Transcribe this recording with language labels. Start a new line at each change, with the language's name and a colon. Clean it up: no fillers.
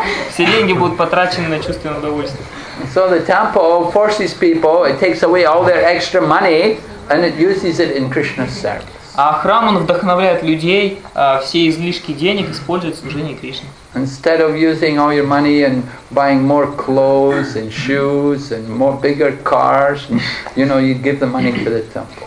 Russian: Все деньги будут потрачены на чувственное удовольствие.
English: So the temple forces people, it takes away all their extra money and it uses it in Krishna's service.
Russian: А храм он вдохновляет людей все излишки денег использовать в служении Кришне.
English: Instead of using all your money and buying more clothes and shoes and more bigger cars, you give the money to the temple.